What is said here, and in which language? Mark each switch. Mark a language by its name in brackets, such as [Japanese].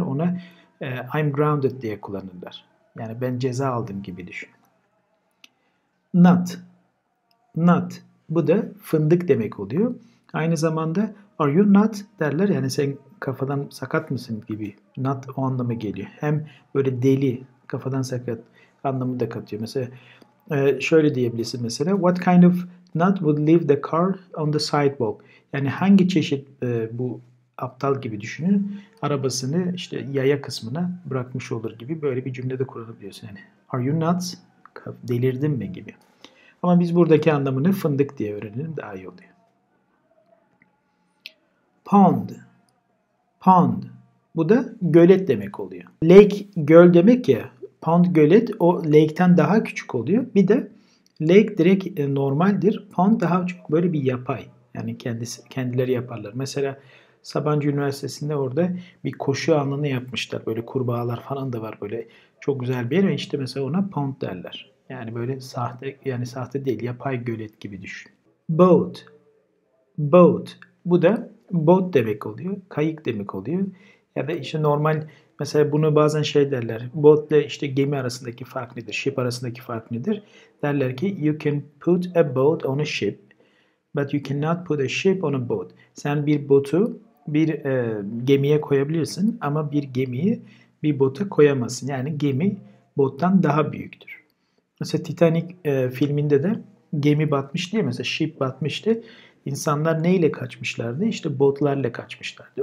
[Turkish] Ona [English] I'm grounded [Turkish] diye kullanırlar. Yani ben ceza aldım gibi düşün. Not. Not. Bu da fındık demek oluyor. Aynı zamanda [English] are you not [Turkish] derler. Yani sen kafadan sakat mısın gibi. Not o anlamı geliyor. Hem böyle deli, kafadan sakat anlamı da katıyor. Mesela şöyle diyebilirsin mesela. [English] What kind of nut would leave the car on the sidewalk? [Turkish] Yani hangi çeşit bu aptal gibi düşünün. Arabasını işte yaya kısmına bırakmış olur gibi böyle bir cümle de kurabiliyorsun. Yani, [English] are you nuts? [Turkish] Delirdin mi gibi. Ama biz buradaki anlamını fındık diye öğrenelim daha iyi oluyor. Pond. Pond. Bu da gölet demek oluyor. Lake göl demek ya. Pond gölet o lake'ten daha küçük oluyor. Bir de lake direkt normaldir. Pond daha çok böyle bir yapay. Yani kendileri yaparlar. Mesela Sabancı Üniversitesi'nde orada bir koşu alanı yapmışlar. Böyle kurbağalar falan da var. Böyle çok güzel bir yer. İşte mesela ona pond derler. Yani böyle sahte, yani sahte değil. Yapay gölet gibi düşün. Boat. Boat. Bu da boat demek oluyor. Kayık demek oluyor. Ya da işte normal mesela bunu bazen şey derler. Boat ile işte gemi arasındaki fark nedir? [English] Ship [Turkish] arasındaki fark nedir? Derler ki [English] you can put a boat on a ship but you cannot put a ship on a boat. [Turkish] Sen bir botu bir gemiye koyabilirsin ama bir gemiyi bir bota koyamazsın. Yani gemi bottan daha büyüktür. Mesela Titanic filminde de gemi batmıştı ya, mesela ship batmıştı. İnsanlar neyle kaçmışlardı? İşte botlarla kaçmışlardı.